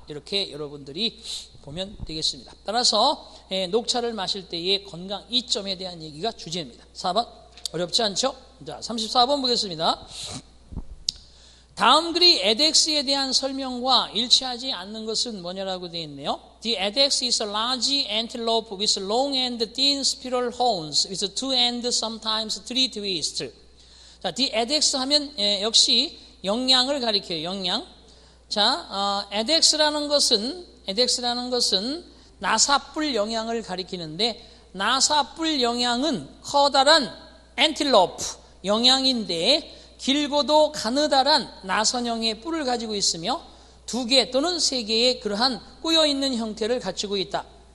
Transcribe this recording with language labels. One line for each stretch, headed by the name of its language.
Korean: 이렇게 여러분들이 보면 되겠습니다. 따라서 녹차를 마실 때의 건강 이점에 대한 얘기가 주제입니다. 4번 어렵지 않죠? 자, 34번 보겠습니다. 다음 글이 에덱스에 대한 설명과 일치하지 않는 것은 뭐냐라고 되어 있네요.
English: The edex is a large antelope with long and thin spiral horns with two and sometimes three twists.
Korean: 자, the edex 하면 역시 영양을 가리켜요. 영양. 자, edex라는 것은 나사뿔 영양을 가리키는데 나사뿔 영양은 커다란 antelope 영양인데 길고도 가느다란 나선형의 뿔을 가지고 있으며 두 개 또는 세 개의 그러한 꼬여있는 형태를 갖추고 있다.